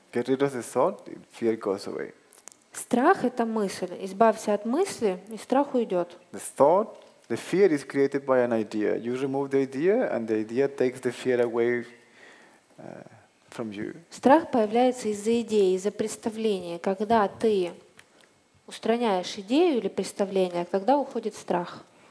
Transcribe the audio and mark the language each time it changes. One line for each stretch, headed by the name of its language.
English: Get rid of the thought, fear goes away.
Russian: Страх – это мысль. Избавься от мысли, и страх уйдет.
English: The thought, the fear is created by an idea. You remove the idea takes the fear away from you.
Russian: Страх появляется из-за идеи, из-за представления. Когда ты устраняешь идею или представление, тогда уходит страх.